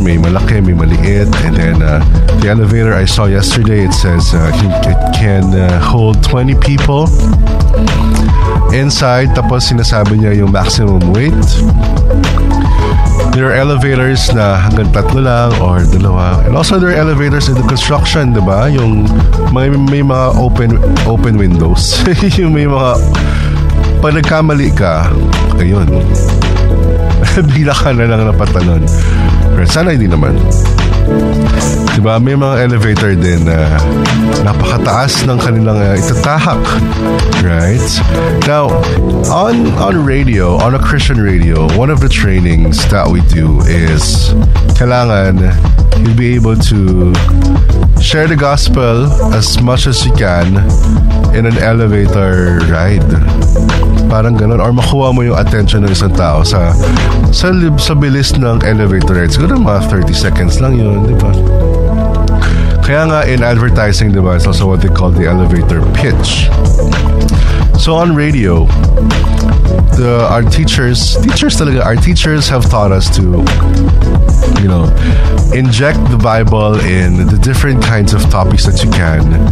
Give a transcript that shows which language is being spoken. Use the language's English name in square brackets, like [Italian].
[Filipino] May malaki, may maliit. [English] And then the elevator I saw yesterday, it says it can hold 20 people inside. [Filipino] Tapos sinasabi niya yung maximum weight. [English] There are elevators [Filipino] na hanggang tatlo lang or dalawa. [English] And also there are elevators in the construction, di ba? [Filipino] Yung may mga open windows. Yung may mga panagkamali ka. Ayun. Bila ka na lang napatanon. Pero sana hindi naman. Diba, may mga elevator din na napakataas ng kanilang itatahak, right? [English] Now, on radio, on a Christian radio, one of the trainings that we do is kailangan you'll be able to share the gospel as much as you can in an elevator ride. [Filipino] Parang ganun. Or makuha mo yung attention ng isang tao sa bilis ng elevator ride. Siguro mga 30 seconds lang yun, di ba? Kaya nga [English] in advertising, di ba, it's also what they call the elevator pitch. So on radio, our teachers have taught us to, you know, inject the Bible in the different kinds of topics that you can.